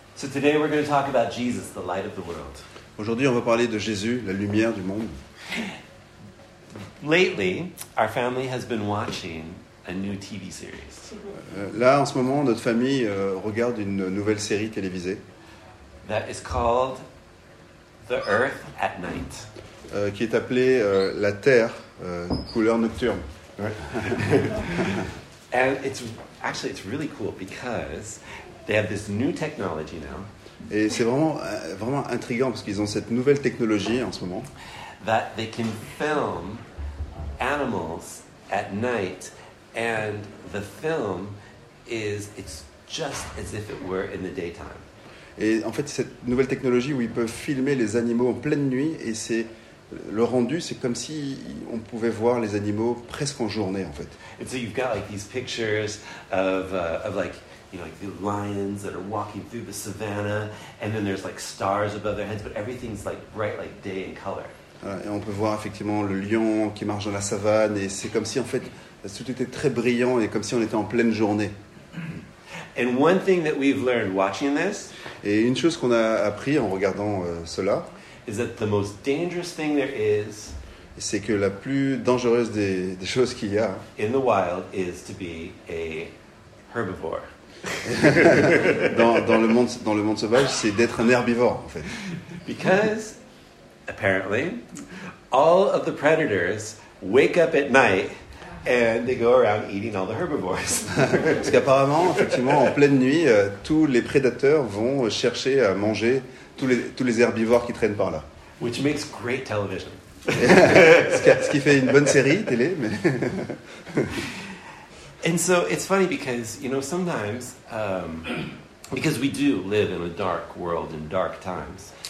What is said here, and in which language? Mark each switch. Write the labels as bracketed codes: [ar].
[en] So today we're going to talk about Jesus, the light of the world. [fr] Aujourd'hui, on va parler de Jésus, la lumière du monde. [en] Lately, our family has been watching a new TV series. [fr] Là, en ce moment, notre famille regarde une nouvelle série télévisée. [en] That is called The Earth at Night. [fr] Qui est appelée La Terre, couleur nocturne. Ouais. [en] And it's really cool because they have this new technology now. [fr] Et c'est vraiment intriguant parce qu'ils ont cette nouvelle technologie en ce moment. [en] That they can film animals at night, and the film it's just as if it were in the daytime. [fr] Et en fait, cette nouvelle technologie où ils peuvent filmer les animaux en pleine nuit, et le rendu, c'est comme si on pouvait voir les animaux presque en journée, en fait. [en] And so you've got like these pictures of the lions that are walking through the savannah, and then there's like stars above their heads, but everything's like bright like day in color. [fr] Et on peut voir effectivement le lion qui marche dans la savane, et c'est comme si en fait tout était très brillant et comme si on était en pleine journée. [en] And one thing that we've learned watching this, [fr] et une chose qu'on a appris en regardant cela, [en] is that the most dangerous thing there is, [fr] c'est que la plus dangereuse des choses qu'il y a [en] in the wild is to be a herbivore. [fr] dans le monde sauvage, c'est d'être un herbivore en fait. [en] Because apparently all of the predators wake up at night and they go around eating all the herbivores. [fr] Parce qu'apparemment, effectivement, en pleine nuit, tous les prédateurs vont chercher à manger tous les herbivores qui traînent par là. [en] Which makes great television. [fr] ce qui fait une bonne série télé, mais. [en] And so it's funny because, you know, sometimes, because we do live in a dark world in dark times.